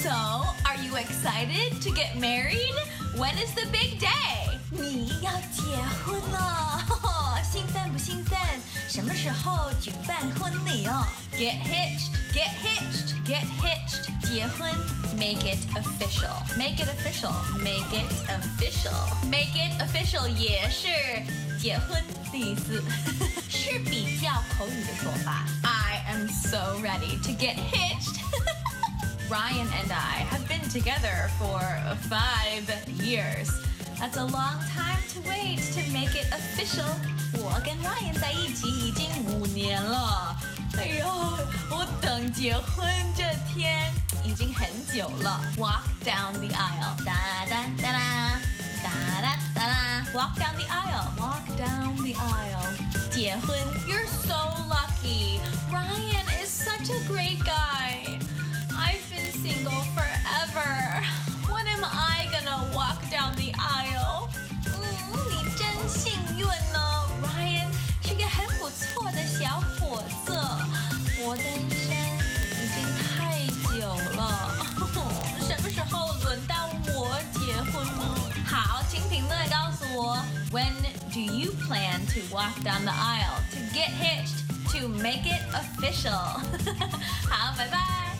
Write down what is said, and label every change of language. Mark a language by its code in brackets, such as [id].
[en] So, are you excited to get married? When is the big day? [zh] 你要结婚了，兴奋不兴奋？什么时候举办婚礼哦？ [en] Get hitched, get hitched, get hitched. 结婚 make it official, make it official, make it official. Make it official [zh] 也是结婚的意思，是比较口语的说法。 [en] I am so ready to get hitched. Ryan and I have been together for 5 years. That's a long time to wait to make it official. [zh] 我跟 Ryan 在一起已经5年了。哎呦，我等结婚这天已经很久了。 [en] Walk down the aisle, da da da da, da da da da. Walk down the aisle, walk down the aisle. 结婚 you're so lucky. Ryan is such a great guy. I've been single forever. When am I gonna walk down the aisle? [zh] 你真幸运呢。 Ryan 是个很不错的小伙子。我单身已经太久了，什么时候轮到我结婚呢？好，请评论告诉我 [en] When do you plan to walk down the aisle to get hitched to make it official? [zh] 好，拜拜。